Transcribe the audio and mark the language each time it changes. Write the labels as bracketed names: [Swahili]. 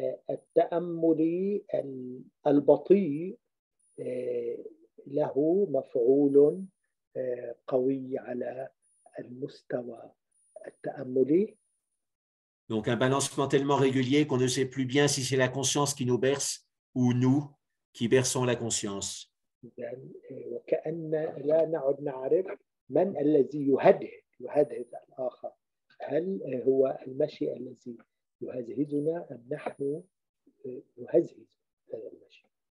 [Arabic] التأمل البطيء له مفعول قوي على المستوى التأملي. [French] Donc un balancement tellement régulier qu'on ne sait plus bien si c'est la conscience qui nous berce ou nous qui berçons la conscience. [Arabic] وكأن لا نعد نعرف من الذي يهدد الآخر. هل هو المشي الذي يهزهزنا أم نحن نهزهز هذا المشي؟